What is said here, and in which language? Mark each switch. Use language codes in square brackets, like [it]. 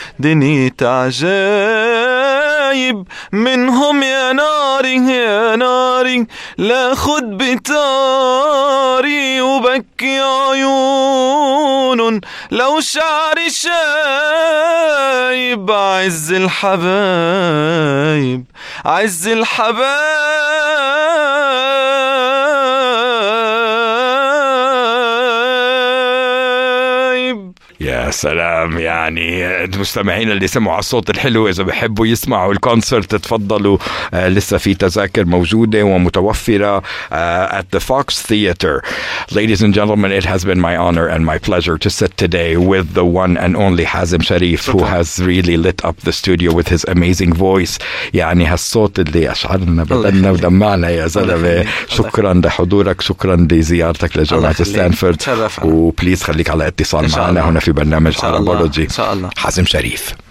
[ar] دنيا عجايب منهم يا ناري لا خد بتاري وبكي عيون لو شعري شايب عز الحبايب. يا سلام. يعني المستمعين اللي سمعوا الصوت الحلو إذا بحبوا يسمعوا الكونسرت تفضلوا، لسه في تذاكر موجودة ومتوفرة [en] at the Fox Theater. Ladies and gentlemen, it has been my honor and my pleasure to sit today with the one and only Hazem Sharif who has really lit up the studio with his amazing voice. [ar] يعني هالصوت اللي أشعرنا بدنا ودمعنا يا زلمة. شكرا لحضورك، شكرا لزيارتك لجامعة ستانفورد. وبليز خليك على اتصال معنا هنا في برنامج عربولوجي. حازم شريف.